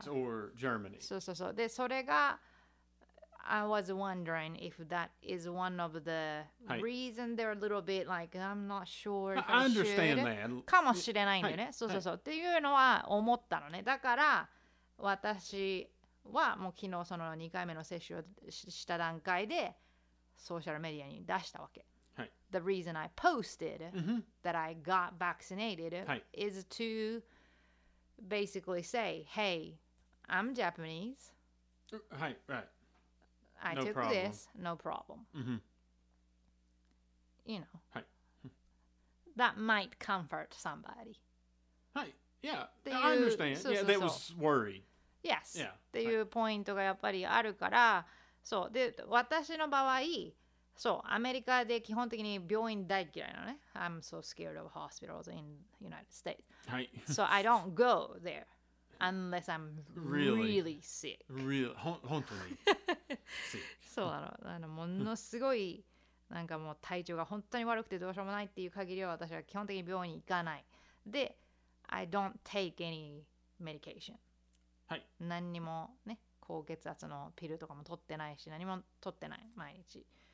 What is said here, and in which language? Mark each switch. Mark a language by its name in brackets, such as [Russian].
[English] Either United States or Germany. [Japanese] そうそうそう。で、それが [English] I was wondering if that is one of the reasons they're a little bit like, I'm not sure if I should. I understand that. [Japanese] かもしれないんだよね。そうそうそう。っていうのは思ったのね。だから私はもう昨日その2回目の接種をした段階でソーシャルメディアに出したわけ。 [English] The reason I posted that I got vaccinated is to basically say, hey, I'm Japanese. Right. I took this, no problem. You know. That might comfort somebody. Hey, yeah. I understand. Yeah, that was worry. Yes. [Japanese] っていうポイントがやっぱりあるから、そう。で、私の場合、そう、アメリカで基本的に病院大嫌いなのね。 [English] I'm so scared of hospitals in the United States. So I don't go there unless I'm really sick. [Japanese] Really? 本当に。そう、ものすごい、なんかもう体調が本当に悪くてどうしようもないっていう限りは私は基本的に病院に行かない。 [English] で、I don't take any medication. [Japanese] はい、何にもね、高血圧のピルとかも取ってないし、何も取ってない、毎日。